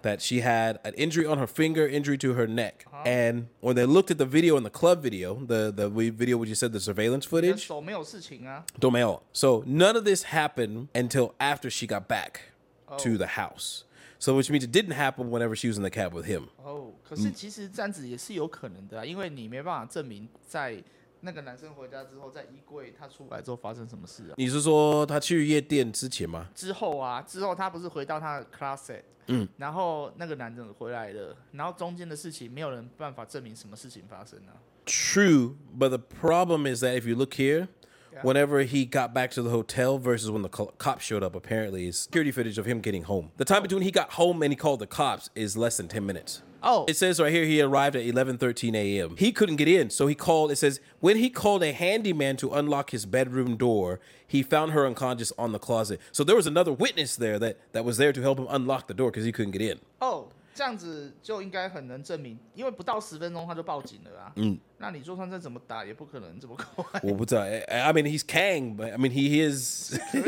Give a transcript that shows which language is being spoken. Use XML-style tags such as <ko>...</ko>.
<en>That she had an injury on her finger, injury to her neck.、Uh-huh. And when they looked at the video in the club video, the video which you said, the surveillance footage.</en> <zh>手没有事情啊。都没有。</zh> <en>So none of this happened until after she got back、oh. to the house. So which means it didn't happen whenever she was in the cab with him.</en> <zh>Oh, 可是其实这样子也是有可能的、啊、因为你没办法证明在那个男生回家之后，在衣柜他出来之后发生什么事、啊、你是说他去夜店之前吗？之后啊，之后他不是回到他的 closet。嗯、然后那个男的回来了，然后中间的事情没有人办法证明什么事情发生了。</zh> <en>True, but the problem is that if you look here,、yeah. whenever he got back to the hotel versus when the cops showed up, apparently is security footage of him getting home. The time between he got home and he called the cops is less than 10 minutes. Oh. It says right here he arrived at 11:13 a.m. He couldn't get in, so he called. It says when he called a handyman to unlock his bedroom door,He found her unconscious on the closet. So there was another witness there that was there to help him unlock the door because he couldn't get in.</en> <zh>Oh, 这样子就应该很能证明，因为不到十分钟他就报警了啊。嗯，那你就算再怎么打，也不可能这么快。我不知道。</zh> <en>I mean, he's Kang, but I mean, he is.</en>